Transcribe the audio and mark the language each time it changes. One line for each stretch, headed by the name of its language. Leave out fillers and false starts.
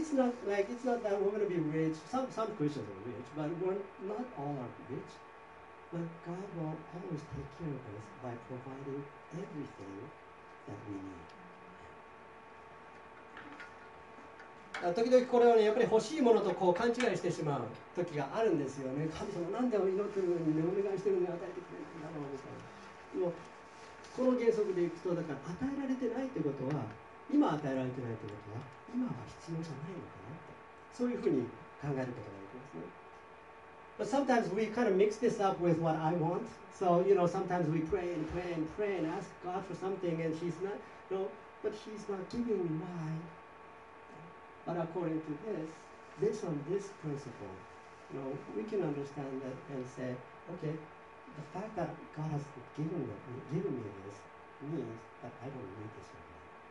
English: So it's not like, it's not that we're going to be rich. Some Christians are rich, but we're not all are rich. But God will always take care of us by providing everything that we need.
Japanese: 時々これをね、やっぱり欲しいものとこう勘違いしてしまう時があるんですよね。神様、何でも祈ってるのにね、お願いしてるのに与えてくれるんだろうみたいな。もうこの原則でいくと、だから与えられてないってことは、今与えられてないってことは、今は必要じゃないのかなって、そういうふうに考えることができますね。
English: But sometimes we kind of mix this up with what I want. So, you know, sometimes we pray and pray and pray and ask God for something and he's not, no, but he's not giving me my. But according to this, based on this principle, you know, we can understand that and say, okay, the fact that God has given me this means that I don't need this right now.